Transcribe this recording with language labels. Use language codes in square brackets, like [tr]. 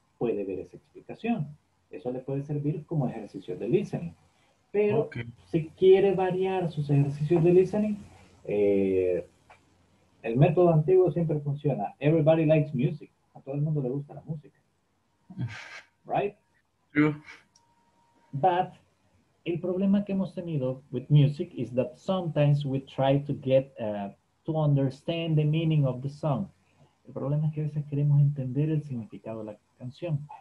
[es] Puede ver esa explicación. Eso le puede servir como ejercicio de listening. Pero si quiere variar sus ejercicios de listening, el método antiguo siempre funciona. [en] Everybody likes music. [es] A todo el mundo le gusta la música. [en] Right? True. But [es] el problema que hemos tenido [en] with music is that sometimes we try to get to understand the meaning of the song. [es] El problema es que a veces queremos entender el significado de la canción.